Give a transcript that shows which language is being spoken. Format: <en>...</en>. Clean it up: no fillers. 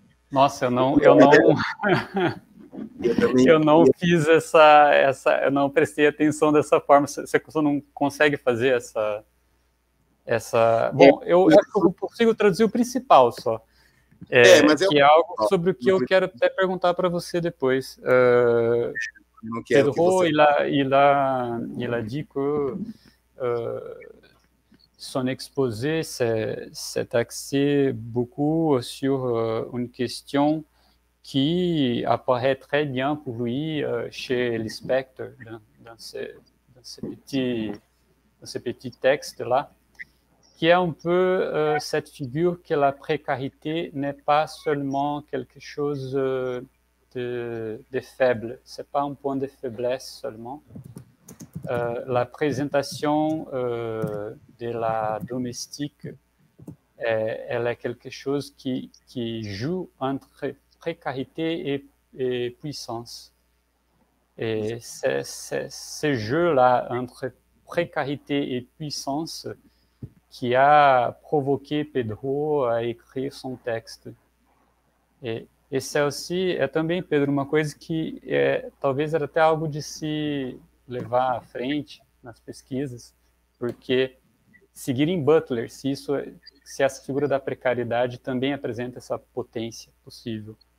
<pt>Nossa, eu não prestei atenção dessa forma, você não consegue fazer essa... Bom, eu consigo traduzir o principal só, que é algo sobre o que eu quero até perguntar para você depois. Não quero que você...</pt> <fr>Il a dit que son exposé s'est axé beaucoup sur une question qui apparaît très bien pour lui chez Lispector dans ce petit texte-là. Qui est un peu cette figure que la précarité n'est pas seulement quelque chose de faible, ce n'est pas un point de faiblesse seulement. La présentation de la domestique, elle est quelque chose qui joue entre précarité et puissance. Et c'est ce jeu-là entre précarité et puissance qui a provoqué Pedro à écrire son texte. Et ça aussi,</fr> <pt>et também, Pedro, uma coisa que talvez era até algo de se levar à frente nas pesquisas, porque seguir em Butler, se essa figura da precariedade também apresenta essa potência possível.</pt>